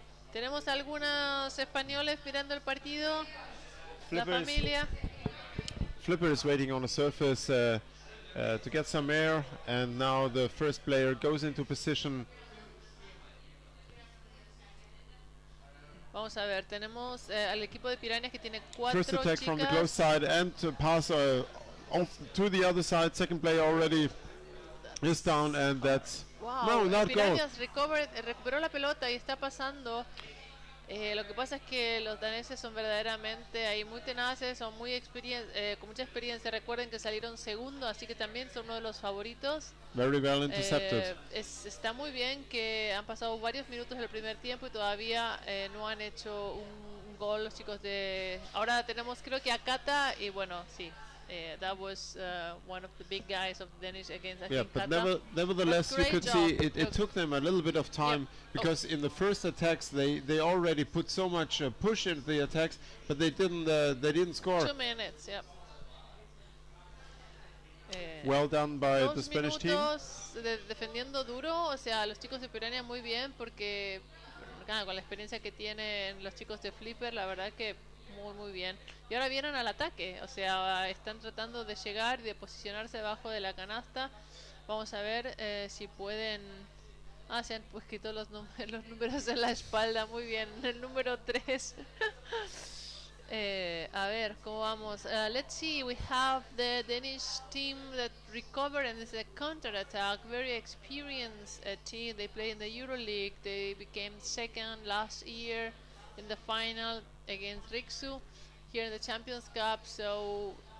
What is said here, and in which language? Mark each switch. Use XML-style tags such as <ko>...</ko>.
<es>Tenemos algunos españoles mirando el partido. Flipper, la familia.</es> <en>Flipper is waiting on the surface to get some air, and now the first player goes into position.</en> <es>Vamos a ver, tenemos al equipo de Pirañas que tiene cuatro chicas.</es> <en>First attack</en> <es>chicas.</es> <en>From the close side and to pass off to the other side. Second player already is down, and that's... Wow, no, not</en> <es>Pirañas recuperó la pelota y está pasando. Lo que pasa es que los daneses son verdaderamente ahí muy tenaces, son muy con mucha experiencia. Recuerden que salieron segundo, así que también son uno de los favoritos.</es> <en>Very well intercepted.</en> <es>Está muy bien que han pasado varios minutos del primer tiempo y todavía no han hecho un gol los chicos de... Ahora tenemos creo que a Kata y bueno, sí.</es> <en>That was one of the big guys of Danish against Akin. Yeah, but nevertheless, you could see it took them a little bit of time, because in the first attacks they already put so much push into the attacks, but they didn't score. 2 minutes, yep. Well done by the Spanish team.</en> <es>Defendiendo duro, o sea, los chicos de Pirañas muy bien, porque con la experiencia que tienen los chicos de Flipper, la verdad que muy muy bien. Y ahora vienen al ataque, o sea, están tratando de llegar, de posicionarse debajo de la canasta. Vamos a ver si pueden... Ah, se han pues quitado los números en la espalda, muy bien, el número 3. a ver, ¿cómo vamos?</es> <en>Let's see, we have the Danish team that recovered and is a counter-attack, very experienced team. They play in the EuroLeague, they became second last year in the final against Rixu here in the Champions Cup. So</en>